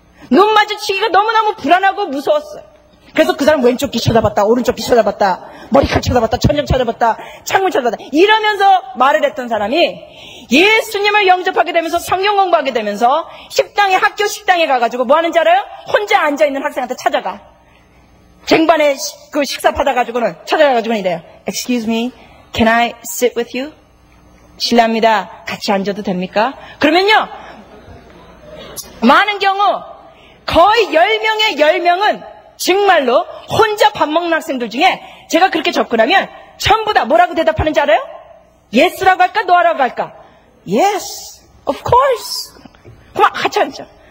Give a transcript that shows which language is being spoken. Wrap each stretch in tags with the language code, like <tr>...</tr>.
<ko>눈 마주치기가 너무너무 불안하고 무서웠어요. 그래서 그 사람 왼쪽 귀 쳐다봤다, 오른쪽 귀 쳐다봤다, 머리카락 쳐다봤다, 천장 쳐다봤다, 창문 쳐다봤다 이러면서 말을 했던 사람이 예수님을 영접하게 되면서 성경 공부하게 되면서 식당에 학교 식당에 가가지고 뭐 하는지 알아요? 혼자 앉아있는 학생한테 찾아가. 쟁반에 그 식사 받아가지고는 찾아가가지고는 이래요.</ko> <en>Excuse me, can I sit with you?</en> <ko>실례합니다. 같이 앉아도 됩니까? 그러면요. 많은 경우 거의 10명의 10명은 정말로 혼자 밥 먹는 학생들 중에 제가 그렇게 접근하면 전부 다 뭐라고 대답하는지 알아요? Yes라고 할까? No라고 할까?</ko> <en>Yes, of course.</en> <ko>그럼 같이 앉죠.</ko>